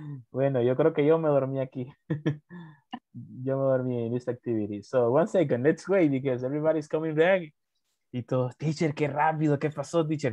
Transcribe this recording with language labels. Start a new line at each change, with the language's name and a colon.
Spanish: Bueno, yo creo que yo me dormí aquí. Yo me dormí en esta activity.
English: So, one second, let's wait because everybody's coming back.
Spanish: Y todos, teacher, qué rápido, qué pasó, teacher.